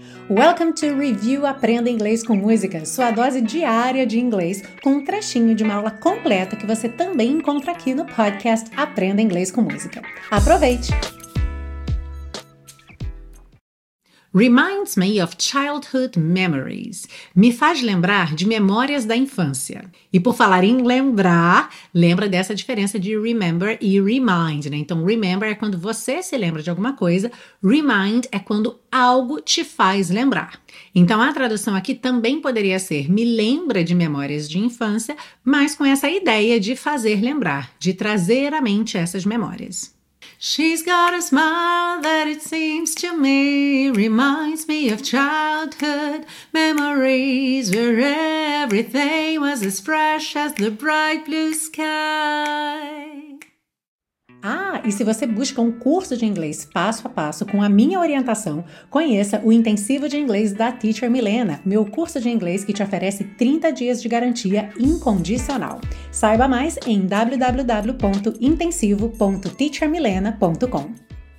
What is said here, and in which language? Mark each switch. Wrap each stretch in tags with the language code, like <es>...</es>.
<en>Welcome to</en> <pt>Review Aprenda Inglês com Música, sua dose diária de inglês, com um trechinho de uma aula completa que você também encontra aqui no podcast Aprenda Inglês com Música. Aproveite!</pt> <en>Reminds me of childhood memories.</en> <pt>Me faz lembrar de memórias da infância. E por falar em lembrar, lembra dessa diferença de remember e remind, né? Então, remember é quando você se lembra de alguma coisa. Remind é quando algo te faz lembrar. Então, a tradução aqui também poderia ser me lembra de memórias de infância, mas com essa ideia de fazer lembrar, de trazer à mente essas memórias.</pt> <en>She's got a smile that it seems to me reminds me of childhood memories where everything was as fresh as the bright blue sky.</en> <pt>Ah, e se você busca um curso de inglês passo a passo com a minha orientação, conheça o Intensivo de Inglês da Teacher Milena, meu curso de inglês que te oferece 30 dias de garantia incondicional. Saiba mais em www.intensivo.teachermilena.com.</pt>